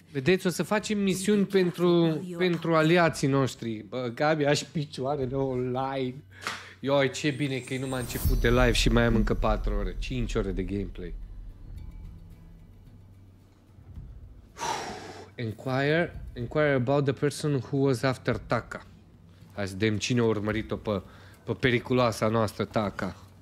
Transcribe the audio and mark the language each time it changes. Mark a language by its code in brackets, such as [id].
[ro] Vedeți, o să facem misiuni pentru aliații noștri. Bă, Gabi, aș picioarele online. Ioi, ce bine că e numai început de live și mai am încă 4 ore, 5 ore de gameplay. [en] Inquire about the person who was after Taka. [ro] Hai să vedem cine a urmărit-o pe periculoasa noastră, Taka.